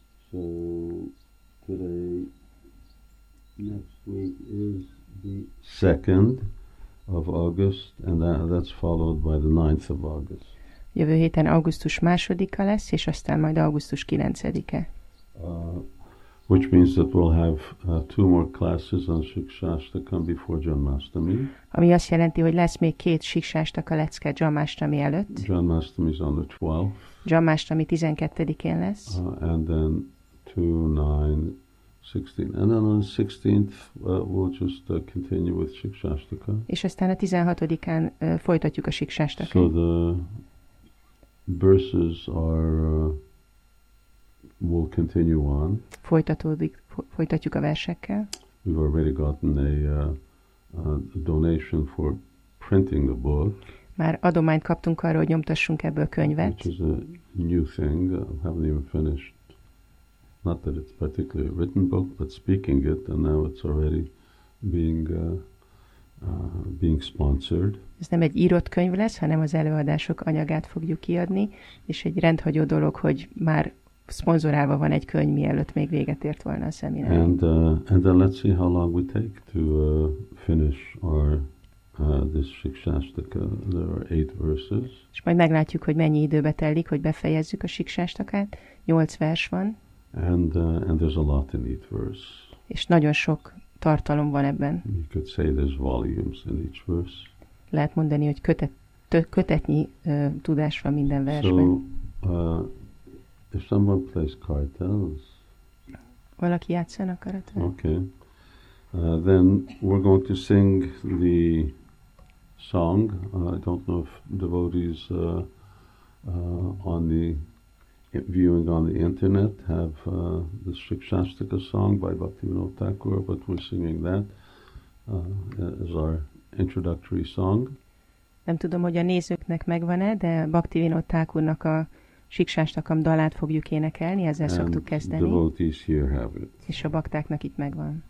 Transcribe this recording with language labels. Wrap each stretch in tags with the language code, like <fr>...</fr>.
<en>So today, next week is the second of August, and that's followed by the 9th of August.</en> <hu>Jövő héten augusztus 2-a lesz, és aztán majd augusztus 9-e.</hu> <en>Which means that we'll have two more classes on Shikshashtaka before Janmashtami.</en> <hu>Ami azt jelenti, hogy lesz még két Shikshashtaka lecke Janmashtami előtt.</hu> <en>Janmashtami is on the 12th.</en> <hu>Janmashtami 12-én lesz.</hu> <en>And then 2, 9, 16. And then on the 16th we'll just continue with Shikshashtaka.</en> <hu>És aztán a 16-án folytatjuk a Shikshashtaka.</hu> <en>So the verses are will continue on.</en> <hu>Folytatjuk a versekkel.</hu> <en>We've already gotten a donation for printing the book.</en> <hu>Már adományt kaptunk arra, hogy nyomtassunk ebből könyvet.</hu> <en>Which is a new thing. I haven't even finished. Not that it's particularly a written book, but speaking it, and now it's already being sponsored.</en> <hu>Ez nem egy írott könyv lesz, hanem az előadások anyagát fogjuk kiadni, és egy rendhagyó dolog, hogy már szponzorálva van egy könyv, mielőtt még véget ért volna a szeminár.</hu> <en>And then let's see how long we take to finish our this Shikshastaka. There are 8 verses.</en> <hu>És majd meglátjuk, hogy mennyi időbe telik, hogy befejezzük a Shikshastakát. 8 vers van.</hu> <en>And there's a lot in each verse.</en> <hu>És nagyon sok tartalom van ebben.</hu> <en>You could say there's volumes in each verse.</en> <hu>Lehet mondani, hogy kötetnyi tudás van minden versben.</hu> <en>So, if someone plays cartels,</en> <hu>valaki játszana karatát.</hu> <en>Okay. Then we're going to sing the song. I don't know if devotees on the viewing on the internet have the Shikshastaka song by Bhaktivinoda Thakur, but we're singing that as our introductory song.</en> <hu>Nem tudom, hogy a nézőknek megvan-e, de Bhaktivinoda Thakurnak a Shikshastakam dalát fogjuk énekelni, ezzel</hu> <en>and</en> <hu>szoktuk kezdeni.</hu> <en>Devotees here have it.</en> <hu>És a baktáknak itt megvan.</hu>